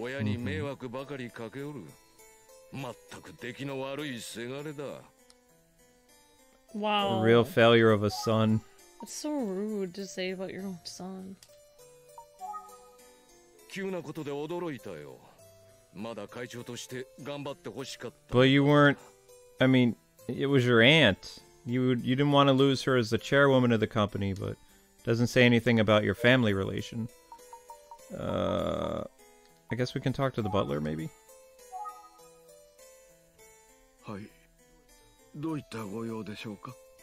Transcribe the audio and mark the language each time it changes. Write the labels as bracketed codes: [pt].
[ja] 親に迷惑ばかりかけおる。全く出来の悪いせがれだ。 [en] Wow. A real failure of a son. It's so rude to say about your own son. [ja] 急なことで驚いたよ。まだ会長として頑張ってほしかった。 [en] But you weren't. I mean, it was your aunt. You didn't want to lose her as the chairwoman of the company, but doesn't say anything about your family relation. I guess we can talk to the butler, maybe. [ja] はい。どういったご用でしょうか?